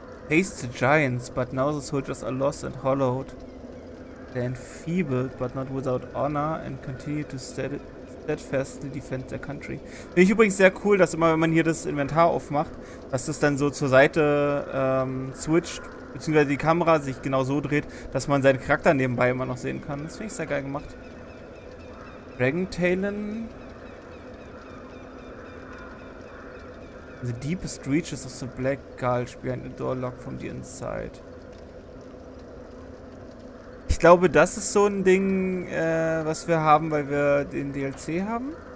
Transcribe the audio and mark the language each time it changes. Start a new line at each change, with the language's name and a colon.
English: Haste the Giants, but now the soldiers are lost and hollowed. They're enfeebled, but not without honor and continue to steadfastly defend their country.
German: Finde ich übrigens sehr cool, dass immer, wenn man hier das Inventar aufmacht, dass das dann so zur Seite switcht, beziehungsweise die Kamera sich genau so dreht, dass man seinen Charakter nebenbei immer noch sehen kann. Das finde ich sehr geil gemacht. Dragon Talon.
English: The deepest reaches of the Black Gulch behind the door locked from the inside.
German: Ich glaube, das ist so ein Ding, was wir haben, weil wir den DLC haben.